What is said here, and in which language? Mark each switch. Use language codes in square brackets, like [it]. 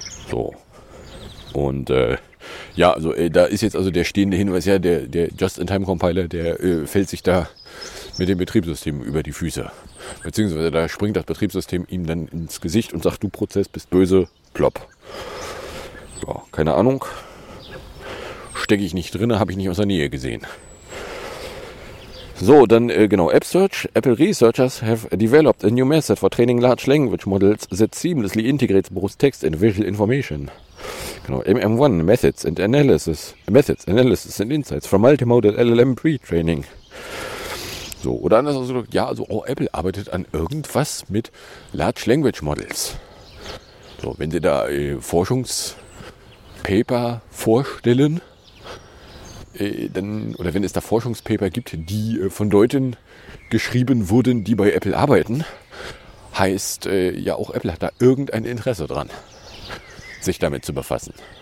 [de] So. Und ja, also da ist jetzt also der stehende Hinweis, ja, der Just-in-Time-Compiler, der fällt sich da mit dem Betriebssystem über die Füße. Beziehungsweise da springt das Betriebssystem ihm dann ins Gesicht und sagt, du Prozess bist böse, plopp. Ja, keine Ahnung. Stecke ich nicht drin, habe ich nicht aus der Nähe gesehen. So, dann genau, App Search. [en] Apple Researchers have developed a new method for training large language models that seamlessly integrates both text and visual information. [de] Genau, MM1, Methods and Analysis and Insights from Multimodal LLM Pre-Training. So, oder anders ausgedrückt, ja, also auch Apple arbeitet an irgendwas mit Large Language Models. So, wenn sie da Forschungspaper vorstellen, dann, oder wenn es da Forschungspaper gibt, die von Leuten geschrieben wurden, die bei Apple arbeiten, heißt ja auch Apple hat da irgendein Interesse dran, sich damit zu befassen.